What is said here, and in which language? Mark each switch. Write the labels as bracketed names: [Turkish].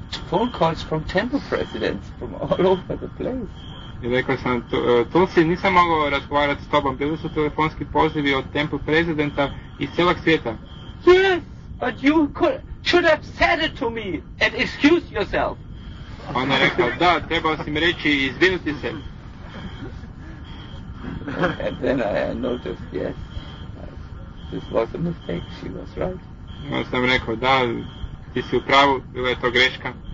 [English] phone calls from temple presidents from all over the place. [Croatian] I rekao sam, Tulsi, nisam mogao razgovarati s tobom, bili su telefonski pozivi od temple presidenta iz celog svijeta. [English] Yes, but you should have said it to me and excuse yourself. [Croatian] Ona je rekao, da, trebao si mi reći i izvinuti se. [English] And then I noticed, yes, this was a mistake, she was right. [Croatian] Ona sam rekao, da, ti si u pravu, bila je to greška.